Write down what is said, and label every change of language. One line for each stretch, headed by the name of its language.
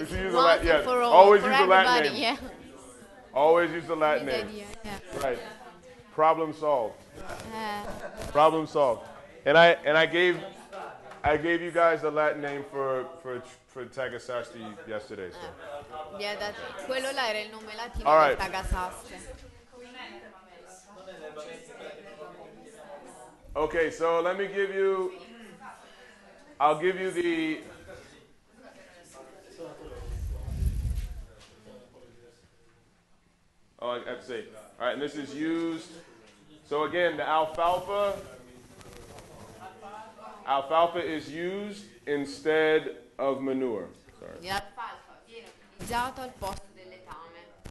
English: Use Latin, yeah. For all, always for use everybody. The Latin name. Yeah. Always use the Latin name. Yeah. Right. Problem solved. And I gave I gave you guys the Latin name for Tagasasti yesterday. So. Yeah, that
Italian: quello là era il nome latino di Tagasasti.
English: Okay, so let me give you. I'll give you the. Oh, I have to say. All right, and this is used. So again, the alfalfa. Alfalfa is used instead of manure. Sorry.
Italian: Alfalfa viene utilizzato al posto del letame.